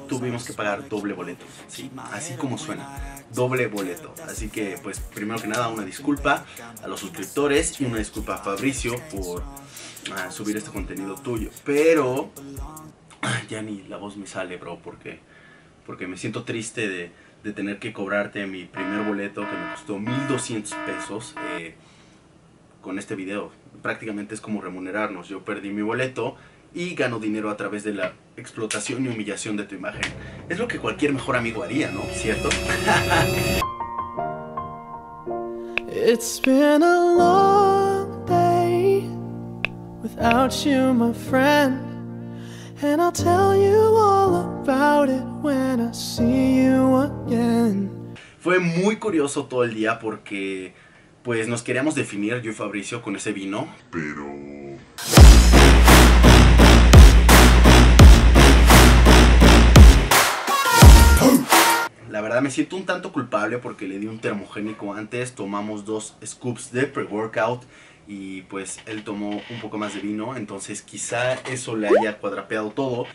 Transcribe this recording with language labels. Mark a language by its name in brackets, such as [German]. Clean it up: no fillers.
[Spanish] Tuvimos que pagar doble boleto, sí, así como suena. Doble boleto, así que pues primero que nada una disculpa a los suscriptores y una disculpa a Fabricio por subir este contenido tuyo, pero ya ni la voz me sale, bro, porque me siento triste de tener que cobrarte mi primer boleto que me costó 1200 pesos con este video. Prácticamente es como remunerarnos, yo perdí mi boleto y gano dinero a través de la explotación y humillación de tu imagen. Es lo que cualquier mejor amigo haría, ¿no? ¿Cierto? [English] It's been a long day without you, my friend. And I'll tell you all about it when I see you again. [Spanish] Fue muy curioso todo el día porque pues nos queríamos definir yo y Fabricio con ese vino. Pero... La verdad me siento un tanto culpable porque le di un termogénico antes, tomamos dos scoops de pre-workout y pues él tomó un poco más de vino, entonces quizá eso le haya cuadrapeado todo.